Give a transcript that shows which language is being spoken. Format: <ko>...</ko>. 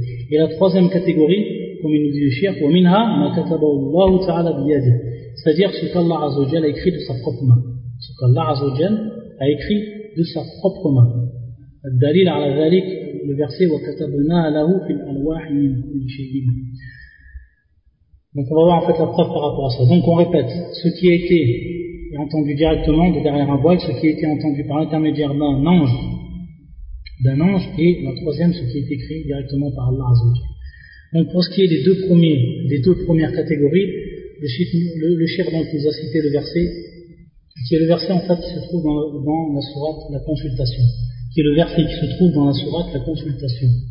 <fr>Et la troisième catégorie, comme il nous dit le shirk,</fr> <ar>وَمِنْهَا مَا كَتَبَهُ اللَّهُ تَعَالَى بِيَدِهِ,</ar> <fr>c'est-à-dire ce qu'Allah Azza wa Jal a écrit de sa propre main. Ce qu'Allah Azza wa Jal a écrit de sa propre main.</fr> <ar>الدَّلِيلَ عَلَى ذَلِكَ,</ar> <fr>le verset</fr> <ar>وَكَتَبْنَا لَهُ فِي الْأَلْوَاحِ مِنْ كُلِّ شَيْءٍ.</ar> <fr>Donc on va voir en fait la preuve par rapport à ça. Donc on répète, ce qui a été entendu directement de derrière un voile, ce qui a été entendu par l'intermédiaire d'un ange d'un ange, et la troisième, ce qui est écrit directement par Allah Azza wa Jalla. Donc pour ce qui est des deux premières catégories, le cheikh donc nous a cité le verset, qui est le verset en fait qui se trouve dans la sourate La Consultation, qui est le verset qui se trouve dans la sourate La Consultation.</fr>